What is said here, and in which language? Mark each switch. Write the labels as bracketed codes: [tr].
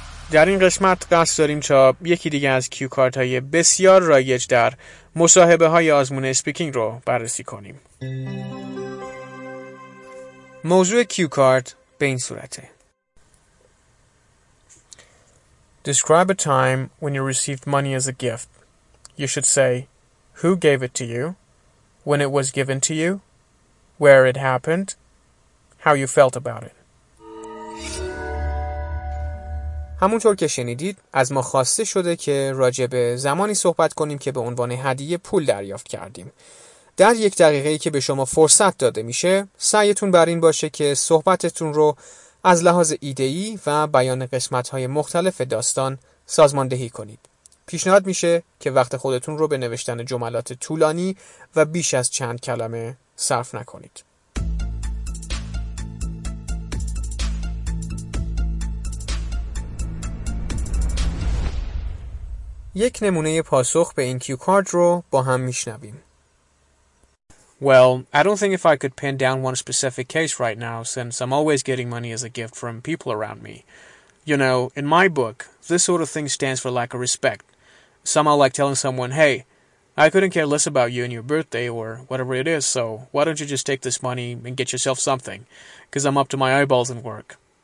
[fa] در این قسمت قصد داریم تا یکی دیگه از کیو کارت های بسیار رایج در مصاحبه های آزمون اسپیکینگ رو بررسی کنیم. موضوع کیو کارت به این صورته: [en] Describe a time when you received money as a gift. You should say who gave it to you, when it was given to you, where it happened, how you felt about it. [fa] همونطور که شنیدید، از ما خواسته شده که راجع به زمانی صحبت کنیم که به عنوان هدیه پول دریافت کردیم. در یک دقیقه‌ای که به شما فرصت داده میشه، سعیتون بر این باشه که صحبتتون رو از لحاظ ایده‌ای و بیان قسمت‌های مختلف داستان سازماندهی کنید. پیشنهاد میشه که وقت خودتون رو به نوشتن جملات طولانی و بیش از چند کلمه صرف نکنید. یک نمونه پاسخ به این کیو کارت رو با هم میشنویم. [en] Well, I don't think if I could pin down one specific case right now, since I'm always getting money as a gift from people around me. You know, in my book, this sort of thing stands for lack of respect. Somehow like telling someone, hey, I couldn't care less about you and your birthday or whatever it is, so why don't you just take this money and get yourself something, because I'm up to my eyeballs in work.